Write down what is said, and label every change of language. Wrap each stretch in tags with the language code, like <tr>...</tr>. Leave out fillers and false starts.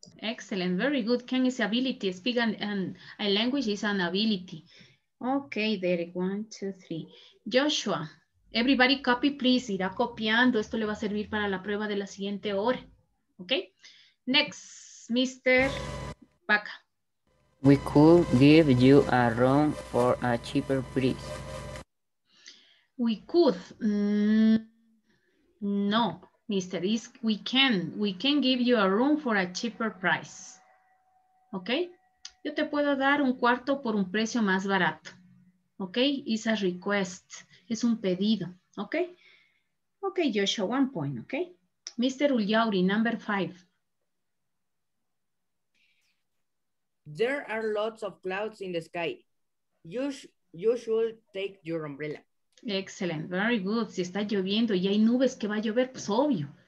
<en>Excellent. Very good. Can is ability. Speak and a language is an ability. Okay, Derek, one, two, three. Joshua. Everybody copy, please.</en> <es>Irá copiando. Esto le va a servir para la prueba de la siguiente hora.</es> <en>Ok. Next, Mr. Baca. We could give you a room for a cheaper price. We could. No, Mr. Is we can. We can give you a room for a cheaper price. Ok.</en> <es>Yo te puedo dar un cuarto por un precio más barato.</es> <en>Ok. It's a request.</en> <es>Es un pedido, ¿ok?</es> <en>Ok, Joshua, one point, ¿ok? Mr. Ulyauri, number five. There are lots of clouds in the sky. You should take your umbrella. Excellent, very good.</en> <es>Si está lloviendo y hay nubes que va a llover, pues obvio.</es>